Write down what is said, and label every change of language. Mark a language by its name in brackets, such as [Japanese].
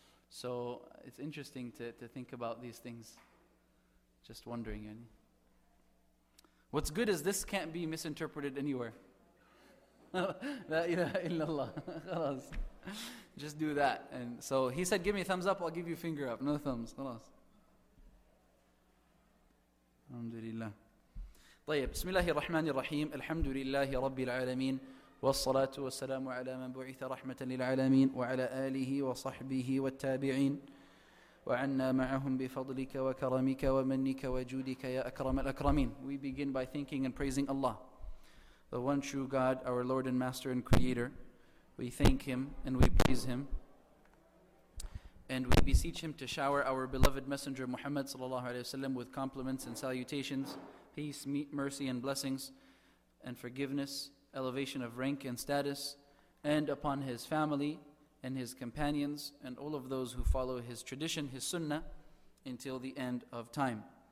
[English] So, it's interesting to think about these things. Just wondering. What's good is this can't be misinterpreted anywhere. [Arabic] La ilaha illallah. [English] Just do that. And so, he said, give me a thumbs up, I'll give you a finger up. No thumbs. Khalas. [Arabic] Alhamdulillah. طيب بسم الله الرحمن الرحيم الحمد لله رب العالمين والصلاة والسلام على من بعث رحمة للعالمين وعلى آله وصحبه والتابعين وعنا معهم بفضلك وكرمك ومنك وجودك يا أكرم الأكرمين. [English] We begin by thanking and praising Allah, the one true God, our Lord and Master and Creator. We thank Him and we praise Him. And we beseech him to shower our beloved messenger Muhammad [Arabic] sallallahu alaihi wasallam [English] with compliments and salutations, peace, mercy and blessings, and forgiveness, elevation of rank and status, and upon his family and his companions and all of those who follow his tradition, his sunnah, until the end of time.